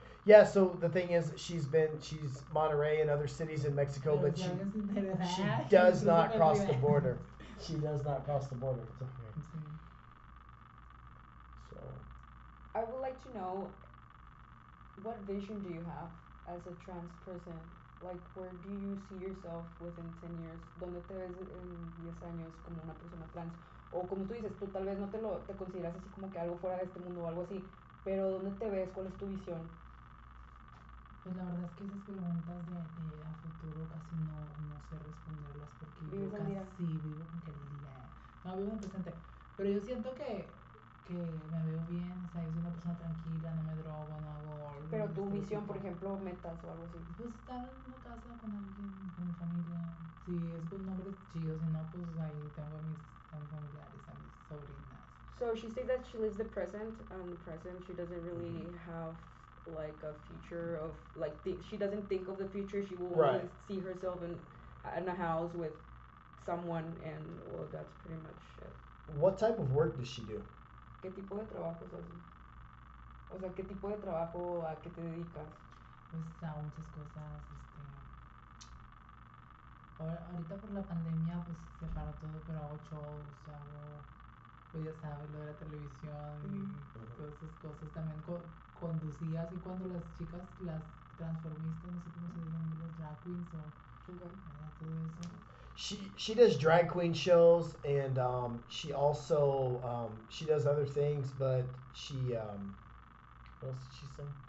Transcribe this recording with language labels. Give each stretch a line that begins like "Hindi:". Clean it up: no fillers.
English: Yeah, so the thing is, she's Monterrey and other cities in Mexico, but she does not cross the border. She does not cross the border. It's okay. Mm-hmm. So, I would like to know, what vision do you have as a trans person? Like, where do you see yourself within 10 years?
Spanish: ¿Dónde te ves en 10 años como una persona trans? O como tú dices, tú tal vez no te consideras así como que algo fuera de este mundo o algo así, pero ¿dónde te ves? ¿Cuál es tu visión? Pues la verdad es que esas preguntas de a futuro casi no sé responderlas porque yo casi vivo en el día. No, vivo en el presente. Pero yo siento que me veo bien, o sea, yo soy una persona tranquila, no me drogo, no hago algo. Pero tu visión, por ejemplo, metas o algo así. Pues estar en una casa con alguien, con mi familia. Si es con nombres chidos, si no, pues ahí tengo a mis familiares, a mis sobrinas.
English: So she said that she lives the present, and the present, she doesn't really have like a future of like she doesn't think of the future. She will right. Only see herself in a house with someone, and well, that's pretty much it. What type of work does she do?
Spanish: ¿Qué tipo de trabajo haces? O sea, ¿qué tipo de trabajo a qué te dedicas? Pues a muchas cosas. Ahorita por la pandemia pues se paró todo, pero hago shows, hago, pues ya sabes, lo de la televisión y todas esas cosas también. Conducía así cuando las chicas, las transformistas, no sé cómo se llaman, las drag queens o todo eso.
English: She does drag queen shows, and she also she does other things, but she what else did she say?